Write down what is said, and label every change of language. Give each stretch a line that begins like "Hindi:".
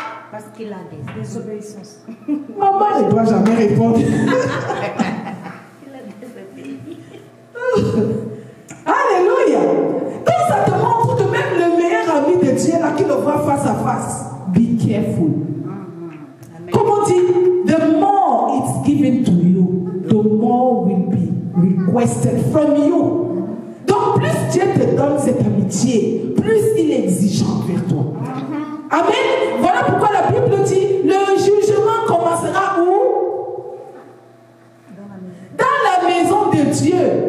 French: Parce qu'il a des désobéissances. Maman ne doit jamais répondre. Il a désobéissance. Alléluia. Donc ça te montre que même le meilleur ami de Dieu, là, qui le voit face à face,
English: be careful. Mm-hmm.
French: Comme on dit,
English: the more it's given to you, the more will be requested from you.
French: Donc plus Dieu te donne cette amitié, plus il est exigeant envers toi. Amen. Voilà pourquoi la Bible dit le jugement commencera où? Dans la maison de Dieu.